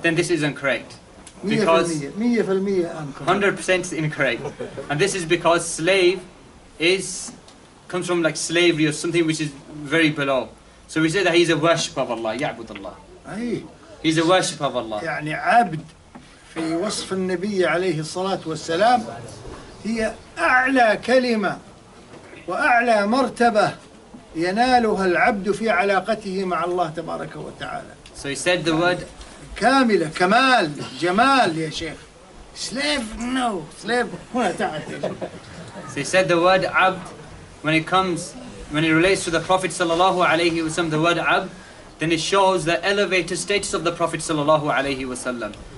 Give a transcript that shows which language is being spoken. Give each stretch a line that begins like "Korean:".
English: Then this is incorrect. Because 100% incorrect. And this is because slave is comes from like slavery or something which is very below. So we say that he's a worshipper of Allah,
Arabic: يعبد الله.
English: He's a worshipper of Allah.
Arabic: يعني عبد في وصف النبي عليه الصلاة والسلام هي أعلى كلمة وأعلى مرتبة ينالها العبد في علاقته مع الله تبارك وتعالى.
English: So he said the word
Arabic: كاملة كمال جمال يا شيخ.
English: Slave no slave
Arabic: هنا تعال.
English: So he said the word عبد when it comes when it relates to the Prophet sallallahu alaihi wasallam the word عبد. Then it shows the elevated status of the Prophet sallallahu alaihi wasallam.